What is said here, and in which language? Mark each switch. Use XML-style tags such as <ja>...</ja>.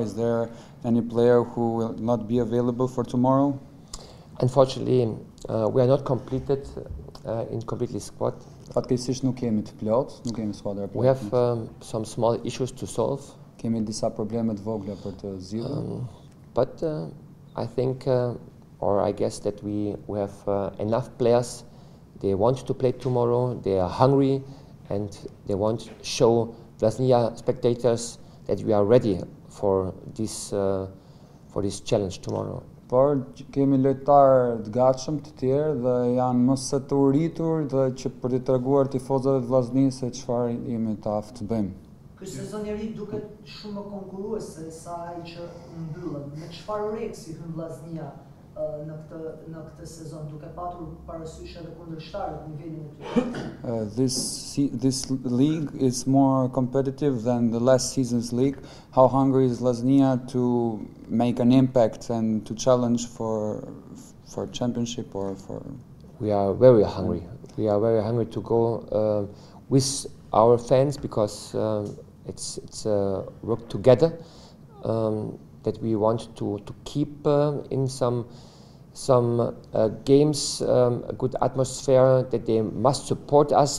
<en>Is there any player who will not be available for tomorrow? Unfortunately, we are not completed in completely squad.</en> <sq>Fatkeqësisht nuk kemi të plot, nuk kemi skuadër plot.</sq> <en>We have some small issues to solve.</en> <sq>Kemi disa probleme të vogla për të zgjidhur.</sq> <en>But I think or I guess that we have enough players. They want to play tomorrow, they are hungry, and they want to show Vllaznia spectators that we are ready for this challenge tomorrow.</en> <sq>Por kemi lojtarë të gatshëm të tjerë dhe janë më së të uritur dhe që për të treguar tifozëve të Vllaznisë se çfarë jemi të aftë të bëjmë. Ky sezon i ri duket shumë konkurues se sa ai që mbyllën. Me çfarë reksi hyn Vllaznia në këtë sezon, duke patur parasysh edhe kundërshtarët në nivelin e tyre?</sq> <en>This league is more competitive than the last season's league. How hungry is Vllaznia to make an impact and to challenge for championship or for? We are very hungry. We are very hungry to go with our fans because it's work together that we want to keep in some games, a good atmosphere, that they must support us.</en>